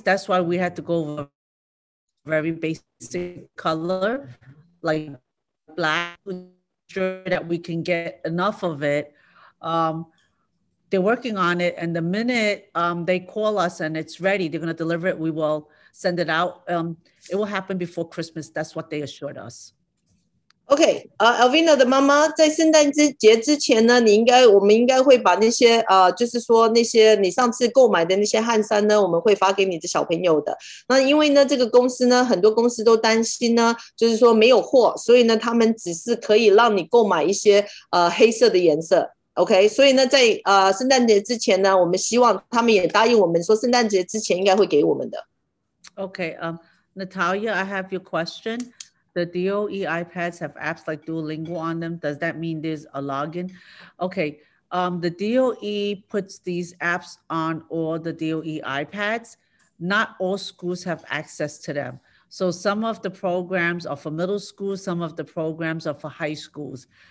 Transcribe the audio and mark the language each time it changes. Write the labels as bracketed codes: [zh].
[en] That's why we had to go with a very basic color. Like black, sure that we can get enough of it. They're working on it, and the minute they call us and it's ready, they're going to deliver it. We will send it out. It will happen before Christmas. That's what they assured us. [zh] Okay, Elvina 的妈妈在圣诞节之前呢，我们应该会把那些就是说那些你上次购买的那些汗衫呢，我们会发给你的小朋友的。那因为呢，这个公司呢，很多公司都担心呢，就是说没有货，所以呢，他们只是可以让你购买一些黑色的颜色。 OK， 所以呢，在圣诞节之前呢，我们希望他们也答应我们说，圣诞节之前应该会给我们的。 [en] Okay, Natalia, I have your question. The DOE iPads have apps like Duolingo on them. Does that mean there's a login? Okay, the DOE puts these apps on all the DOE iPads. Not all schools have access to them. So some of the programs are for middle schools, some of the programs are for high schools.